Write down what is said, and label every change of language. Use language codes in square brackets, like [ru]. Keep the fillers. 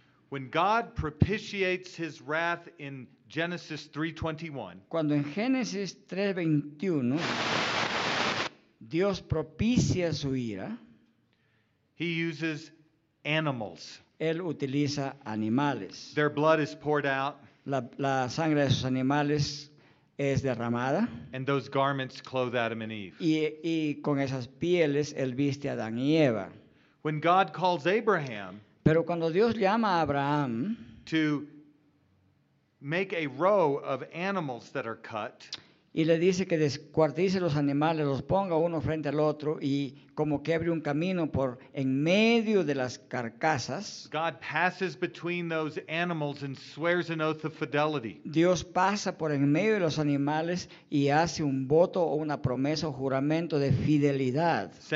[en] When God propitiates his wrath in Genesis 3:21. [es] Cuando en Génesis 3:21 Dios propicia su ira, [en] he uses animals. [es] Él utiliza animales. [en] Their blood is poured out. [es] La, sangre de sus animales es derramada. [en] And those garments clothe Adam and Eve. [es] Y, y con esas pieles él viste a Adán [en] When God calls Abraham, [es] Pero cuando Dios llama a Abraham, [en] to make a row of animals that are cut. [es] y le dice que descuartice los animales, los ponga uno frente al otro y como que abre un camino por en medio de las carcasas. [en] God those and an oath of Dios [es] pasa por en medio de los animales y hace un voto o una promesa o juramento de fidelidad.